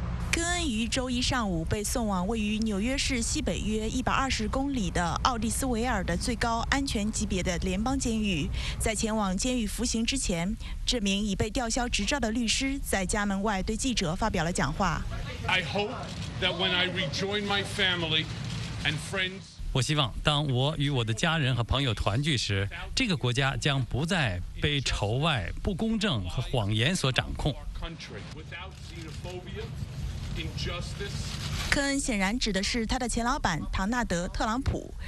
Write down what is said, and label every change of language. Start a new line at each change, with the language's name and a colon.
Chinese: 科恩于周一上午被送往位于纽约市西北约120公里的奥蒂斯维尔的最高安全级别的联邦监狱。在前往监狱服刑之前，这名已被吊销执照的律师在家门外对记者发表了讲话。
English: I hope that when I rejoin my family and friends...
Chinese: 我希望当我与我的家人和朋友团聚时，这个国家将不再被仇外、不公正和谎言所掌控。科恩显然指的是他的前老板唐纳德·特朗普。